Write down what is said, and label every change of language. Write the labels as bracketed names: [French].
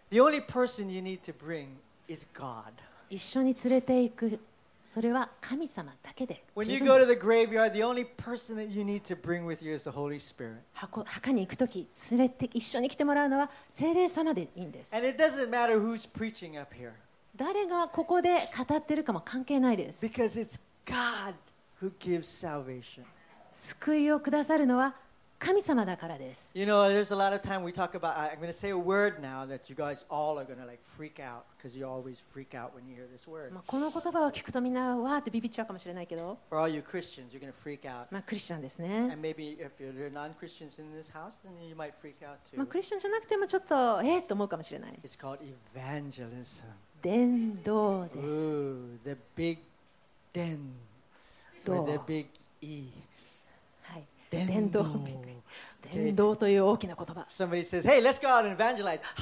[English] The only person you need to bring is God. [Japanese] 一緒に連れて行くそれは神様だけで十分です。 [English] When you go to the graveyard, the only person that you need to bring with you is the Holy Spirit. [Japanese] 墓に行くとき連れて一緒に来てもらうのは聖霊様でいいんです。 [English] And it doesn't matter who's preaching up here. [Japanese] 誰がここで語ってるかも関係ないです。 [English] Because it's God who gives salvation. [Japanese] 救いをくださるのは神様だからです。 [English] You know, there's a lot of time we talk about. I'm going to say a word now that you guys all are going to like freak out because you always freak out when you hear this word. [Japanese] まあこの言葉を聞くとみんなわーってビビっちゃうかもしれないけど。 [English] For all you Christians, you're going to freak out. [Japanese] まあクリスチャンですね。 [English] And maybe if you're non-Christians in this house, then you might freak out too. [Japanese] まあクリスチャンじゃなくてもちょっとと思うかもしれない。 [English] It's called evangelism. [Japanese] 伝道です。 [English] Ooh, the big den. With a big E. [Japanese] はい。伝道。伝道という大きな言葉。 [English] Somebody says, "Hey, let's go out and evangelize."